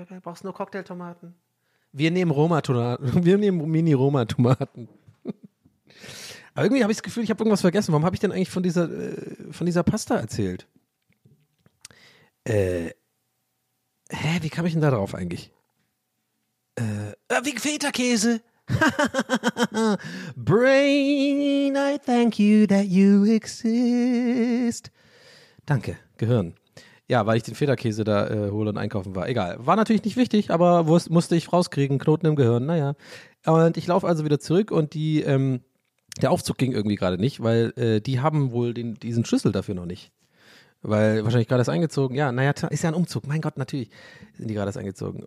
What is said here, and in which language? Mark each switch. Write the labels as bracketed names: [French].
[German] Brauchst nur Cocktailtomaten. Wir nehmen Mini-Roma-Tomaten. Aber irgendwie habe ich das Gefühl, ich habe irgendwas vergessen. Warum habe ich denn eigentlich von dieser Pasta erzählt? Wie kam ich denn da drauf eigentlich? Wie Feta-Käse. [English] Brain, I thank you that you exist. [German] Danke, Gehirn. Ja, weil ich den Federkäse da hole und einkaufen war. Egal, war natürlich nicht wichtig, aber musste ich rauskriegen, Knoten im Gehirn, naja. Und ich laufe also wieder zurück und der Aufzug ging irgendwie gerade nicht, weil die haben wohl diesen Schlüssel dafür noch nicht. Weil wahrscheinlich gerade erst eingezogen. Ja, naja, ist ja ein Umzug, mein Gott, natürlich sind die gerade erst eingezogen.